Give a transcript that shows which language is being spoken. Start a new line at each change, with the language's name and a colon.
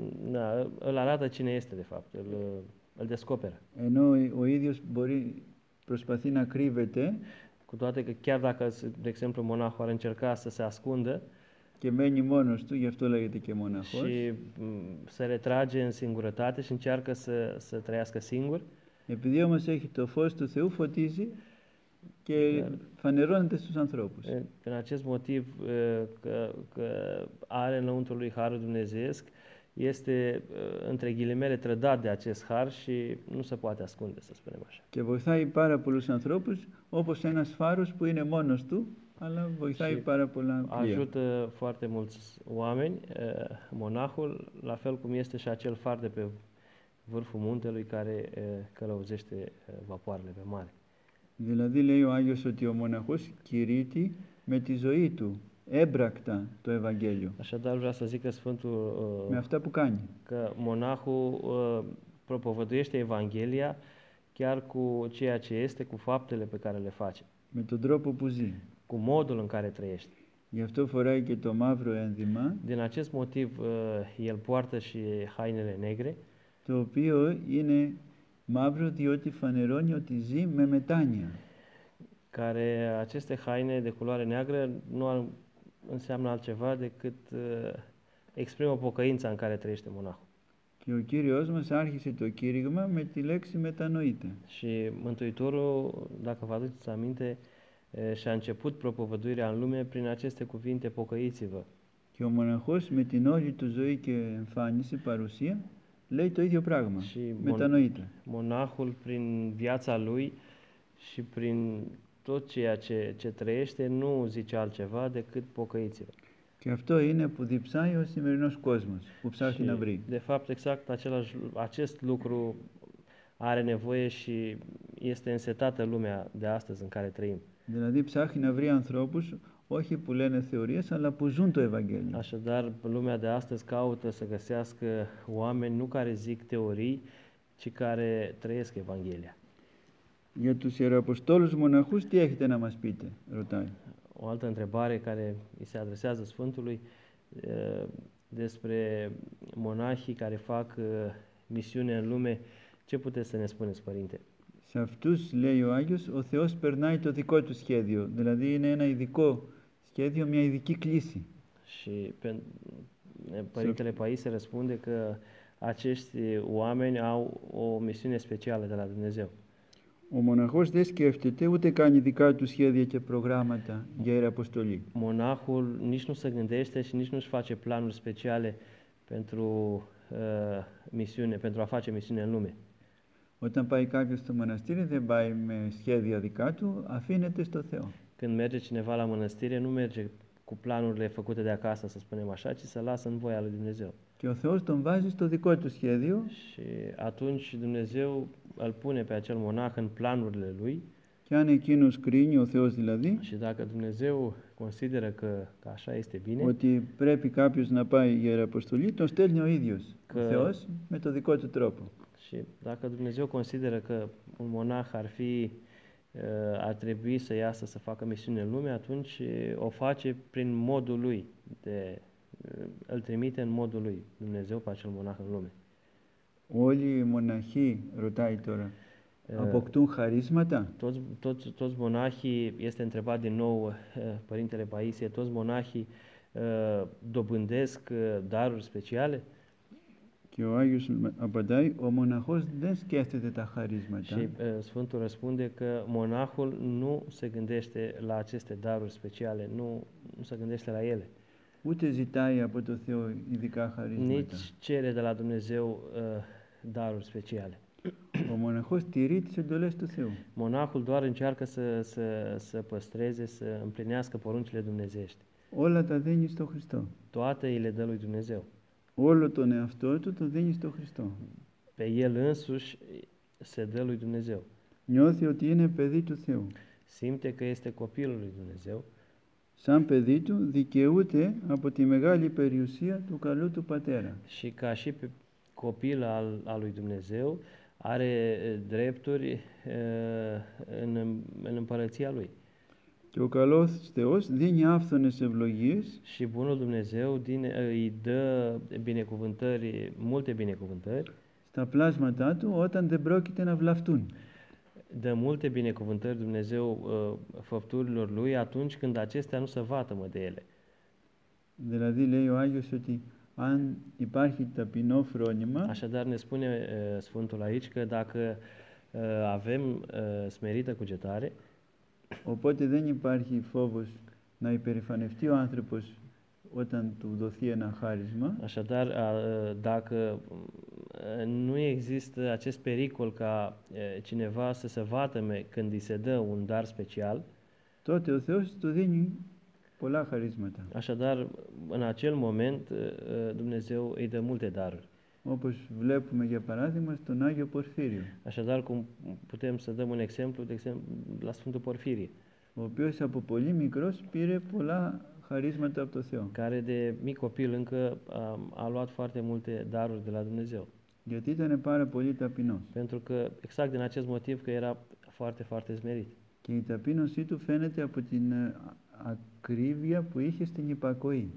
Romanian: Να, îl arată cine este de fapt, îl descoperă.
Greek: Ενώ ο ίδιος μπορεί προσπαθεί να κρύβεται.
Romanian: Cu toate că chiar dacă, de exemplu, monahul ar încerca să se ascundă.
Greek: Και μένει μόνος του, γι' αυτό λέγεται και μοναχός.
Romanian: Și se retrage în singurătate și încearcă să trăiască singur.
Greek: Επειδή όμως έχει το φως του Θεού, φωτίζει. Και φανερώνεται στους ανθρώπους.
Romanian: Prin acest motiv că are înăuntru lui harul dumnezeiesc, este între ghilimele trădat de acest har și nu se poate ascunde, să spunem așa.
Greek: Και βοηθάει πάρα πολλούς ανθρώπους, όπως ένας φάρος που είναι μόνος του, αλλά βοηθάει πάρα πολλά πλοία.
Romanian: Ajută foarte mulți oameni, monahul, la fel cum este și acel far de pe vârful muntelui care călăuzește vapoarele pe mare.
Greek: Δηλαδή λέει ο Άγιος ότι ο μοναχός κηρύττει με τη ζωή του, έμπρακτα το Ευαγγέλιο.
Romanian: Așadar, vreau să zic că Sfântul,
Greek: με αυτά που κάνει.
Romanian: Că monahul propovăduiește Evanghelia chiar cu ceea ce este, cu faptele pe care le face.
Greek: Με τον τρόπο που ζει.
Romanian: Cu modul în care trăiește.
Greek: Γι' αυτό φοράει και το μαύρο ένδυμα.
Romanian: Din acest motiv el poartă și hainele negre.
Greek: Το οποίο είναι μαύρο διότι φανερώνει ότι ζει με μετάνοια.
Romanian: Care aceste haine de culoare neagră nu înseamnă altceva decât exprimă pocăința în care trăiește monahul.
Greek: Και ο Κύριος μας άρχισε το κήρυγμα με τη λέξη μετανοείτε.
Romanian: Și Mântuitorul, dacă vă aduceți aminte, și-a început propovăduirea în lume prin aceste cuvinte, pocăiți-vă.
Greek: Και ο μοναχός με την όλη του ζωή και εμφάνιση, παρουσία, λέει το ίδιο πράγμα,
Romanian: Și
Greek: μετανοείται.
Romanian: μονάχουλ prin viața lui și prin tot ceea ce, ce trăiește nu zice altceva decât pocăiți-vă.
Greek: Και αυτό είναι που διψάει ο σημερινός κόσμος, που ψάχνει
Romanian: Și
Greek: να βρει.
Romanian: de fapt exact același, acest lucru are nevoie și este însetată lumea de astăzi în care trăim.
Greek: Δηλαδή ψάχνει να βρει ανθρώπους όχι που λένε θεωρίες, αλλά που ζουν το Ευαγγέλιο.
Romanian: Așadar, lumea de astăzi caută să găsească oameni nu care zic teorii, ci care trăiesc Evanghelia.
Greek: Για τους ιεραποστόλους μοναχούς, τι έχετε να μας πείτε, ρωτάει.
Romanian: O altă întrebare care îi se adresează Sfântului despre monahii care fac misiune în lume, ce puteți să ne spuneți, Părinte?
Greek: Σε αυτούς, λέει ο Άγιος, ο Θεός περνάει το δικό του σχέδιο. Δηλαδή είναι ένα ειδικό σχέδιο, μια ειδική κλίση.
Romanian: Și Părintele Paisie răspunde că acești oameni au o misiune specială de la Dumnezeu.
Greek: Ο μοναχός δεν σκέφτεται ούτε καν ειδικά του σχέδια και προγράμματα για ιεραποστολή.
Romanian: Μονάχουλ nici nu se gândește și nici nu-și face planuri speciale pentru misiune, pentru a face misiune în lume.
Greek: Όταν πάει κάποιος στο μοναστήρι, δεν πάει με σχέδια δικά του, αφήνεται στο Θεό.
Romanian: Când merge cineva la mănăstire, nu merge cu planurile făcute de acasă, să spunem așa, ci se lasă în voia lui Dumnezeu.
Greek: Και ο Θεός τον βάζει στο δικό του σχέδιο.
Romanian: Și atunci Dumnezeu îl pune pe acel monah în planurile lui.
Greek: Και αν εκείνος κρίνει, ο Θεός δηλαδή,
Romanian: și dacă Dumnezeu consideră că, că așa este bine,
Greek: ότι πρέπει κάποιος να πάει για ιεραποστολή, τον στέλνει ο ίδιος, ο Θεός, με το δικό του τρόπο.
Romanian: Și dacă Dumnezeu consideră că un monah ar fi ar trebui să iasă să facă misiune în lume, atunci o face prin modul lui, de, îl trimite în modul lui Dumnezeu pe acel monah în lume.
Greek: Όλοι οι μοναχοί, ρωτάει τώρα, αποκτούν χαρίσματα.
Romanian: Toți μονάχοι, este întrebat din nou Părintele Paisie, toți μονάχοι dobândesc daruri speciale?
Greek: Και ο Άγιος απαντάει, ο μοναχός δεν σκέφτεται τα χαρίσματα.
Romanian: Și Sfântul răspunde că μονάχουλ nu se gândește la aceste daruri speciale, nu se gândește la ele.
Greek: Ούτε ζητάει από το Θεό ειδικά χαρίσματα.
Romanian: Nici cere de la Dumnezeu daruri speciale.
Greek: Ο μοναχός τηρεί τις εντολές του Θεού.
Romanian: Μονάχουλ doar încearcă să păstreze, să împlinească poruncile dumnezeiești.
Greek: Όλα τα δίνει στο Χριστό.
Romanian: Toate îi le dă lui Dumnezeu.
Greek: Όλο τον εαυτό του το δίνει στο Χριστό.
Romanian: Pe el însuși se dă lui Dumnezeu.
Greek: Νιώθει ότι είναι παιδί του Θεού.
Romanian: Simte că este copilul lui Dumnezeu.
Greek: Σαν παιδί του δικαιούται από τη μεγάλη περιουσία του καλού του πατέρα.
Romanian: Și ca și copil al, al lui Dumnezeu are drepturi în împărăția lui.
Greek: Και ο καλός Θεός δίνει άφθονες ευλογίες.
Romanian: Și bunul Dumnezeu îi dă binecuvântări, multe binecuvântări.
Greek: Στα πλάσματά του όταν δεν πρόκειται να βλαφτούν.
Romanian: Dă multe binecuvântări Dumnezeu făpturilor lui atunci când acestea nu se vatămă de ele.
Greek: Δηλαδή λέει ο Άγιος ότι αν υπάρχει ταπεινό φρόνημα.
Romanian: Așadar ne spune Sfântul aici că dacă avem smerită cugetare.
Greek: Οπότε δεν υπάρχει φόβος να υπερηφανευτεί ο άνθρωπος όταν του δοθεί ένα χάρισμα.
Romanian: Așadar, dacă nu există acest pericol ca cineva să se vatăme când îi se dă un dar special, tot
Greek: o Θεός του δίνει πολλά χαρίσματα.
Romanian: Așadar, în acel moment, Dumnezeu îi dă multe daruri.
Greek: Όπως βλέπουμε για παράδειγμα στον Άγιο Πορφύριο.
Romanian: Așadar, cum putem să dăm un exemplu, de exemplu, la Sfântul Porfirie.
Greek: Ο οποίος από πολύ μικρός πήρε πολλά χαρίσματα από το Θεό.
Romanian: Care de mic copil încă a luat foarte multe daruri de la Dumnezeu.
Greek: Γιατί ήταν πάρα πολύ ταπεινός.
Romanian: Pentru că, exact din acest motiv, că era foarte, foarte smerit.
Greek: Και η ταπείνωσή του φαίνεται από την ακρίβεια που είχε στην υπακοή.